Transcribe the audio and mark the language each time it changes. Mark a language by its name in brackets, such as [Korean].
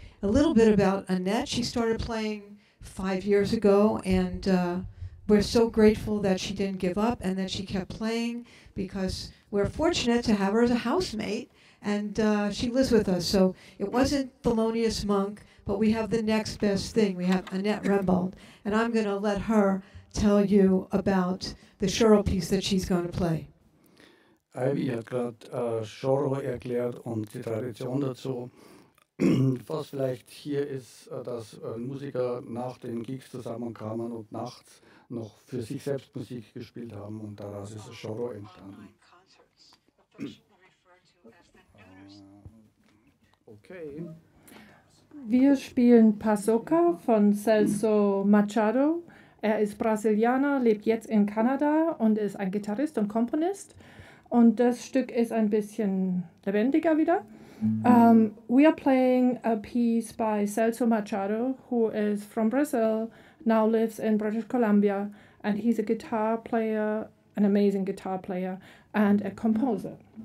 [English] A little bit about Annette: she started playing 5 years ago, and we're so grateful that she didn't give up and that she kept playing, because we're fortunate to have her as a housemate, and she lives with us. So it wasn't Thelonious Monk, but we have the next best thing. We have Annette Rembold, and I'm going to let her tell you about the choro piece that she's going to play. [German] Ivy hat gerade Choro erklärt und die Tradition dazu. Was vielleicht hier ist, dass Musiker nach den Gigs zusammenkamen und nachts noch für sich selbst Musik gespielt haben, und daraus ist Choro entstanden. Okay. Wir spielen Pasoca von Celso Machado. Er ist Brasilianer, lebt jetzt in Kanada und ist ein Gitarrist und Komponist. Und das Stück ist ein bisschen lebendiger wieder. [English] We are playing a piece by Celso Machado, who is from Brazil, now lives in British Columbia, and he's a guitar player, an amazing guitar player, and a composer.